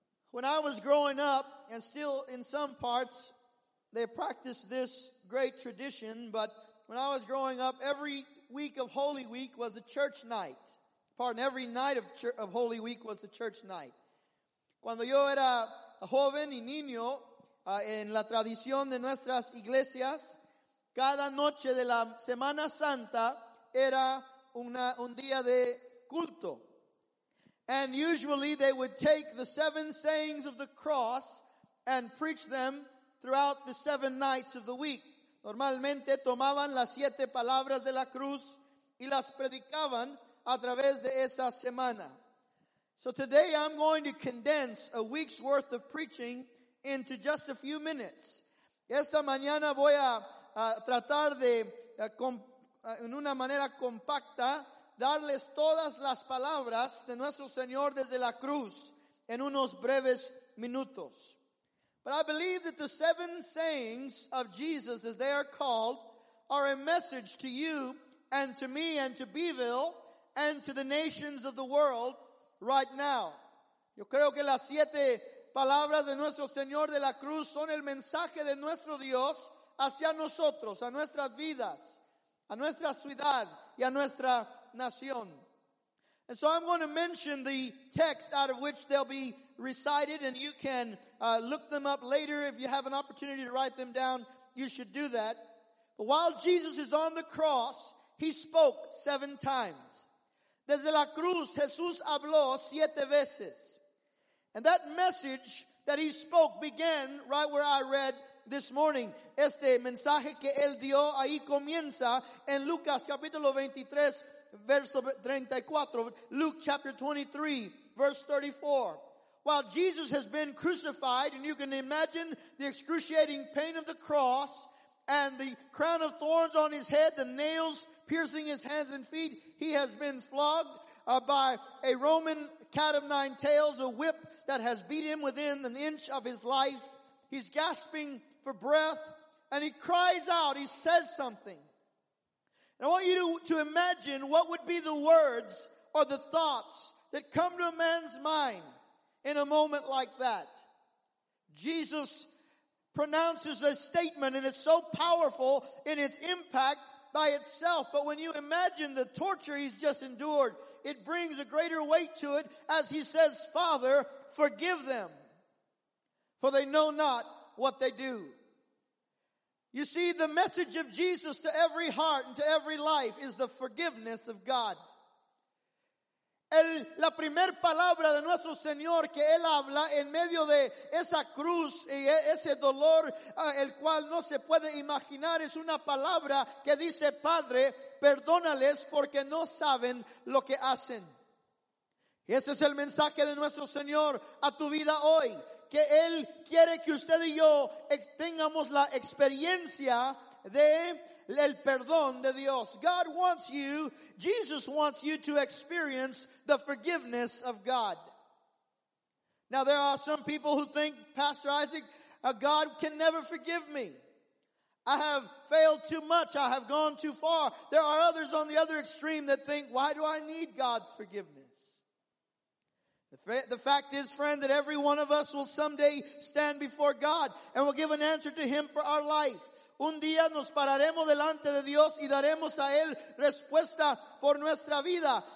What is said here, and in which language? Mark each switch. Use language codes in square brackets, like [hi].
[en] When I was growing up, and still in some parts, they practiced this great tradition. But when I was growing up, every week of Holy Week was a church night. Pardon, every night of Holy Week was a church night. [es] Cuando yo era joven y niño, en la tradición de nuestras iglesias, cada noche de la Semana Santa era un día de culto. [en] And usually they would take the seven sayings of the cross and preach them throughout the seven nights of the week. [es] Normalmente tomaban las siete palabras de la cruz y las predicaban a través de esa semana. [en] So today I'm going to condense a week's worth of preaching into just a few minutes. [es] Esta mañana voy a tratar de, en una manera compacta, darles todas las palabras de nuestro Señor desde la cruz en unos breves minutos. [en] But I believe that the seven sayings of Jesus, as they are called, are a message to you and to me and to Beeville and to the nations of the world right now. [es] Yo creo que las siete palabras de nuestro Señor de la cruz son el mensaje de nuestro Dios hacia nosotros, a nuestras vidas, a nuestra ciudad y a nuestra nación. [en] And so I'm going to mention the text out of which they'll be recited, and you can look them up later. If you have an opportunity to write them down, you should do that. But while Jesus is on the cross, he spoke seven times. [es] Desde la cruz, Jesús habló siete veces. [en] And that message that he spoke began right where I read this morning. [es] Este mensaje que él dio ahí comienza en Lucas capítulo 23, verso 34. [en] Luke chapter 23, verse 34. While Jesus has been crucified, and you can imagine the excruciating pain of the cross and the crown of thorns on his head, the nails piercing his hands and feet, he has been flogged by a Roman cat of nine tails, a whip that has beat him within an inch of his life. He's gasping for breath, and he cries out, he says something. And I want you to imagine what would be the words or the thoughts that come to a man's mind in a moment like that. Jesus pronounces a statement, and it's so powerful in its impact by itself. But when you imagine the torture he's just endured, it brings a greater weight to it as he says, Father, forgive them, for they know not what they do. You see, the message of Jesus to every heart and to every life is the forgiveness of God. [es] La primera palabra de nuestro Señor que Él habla en medio de esa cruz y ese dolor, el cual no se puede imaginar, es una palabra que dice, Padre, perdónales porque no saben lo que hacen. Ese es el mensaje de nuestro Señor a tu vida hoy, que Él quiere que usted y yo tengamos la experiencia de el perdón de Dios. [en] God wants you, Jesus wants you to experience the forgiveness of God. Now there are some people who think, Pastor Isaac, God can never forgive me. I have failed too much, I have gone too far. There are others on the other extreme that think, why do I need God's forgiveness? The fact is, friend, that every one of us will someday stand before God and will give an answer to Him for our life. [es] Un día nos pararemos delante de Dios y daremos a Él respuesta por nuestra vida.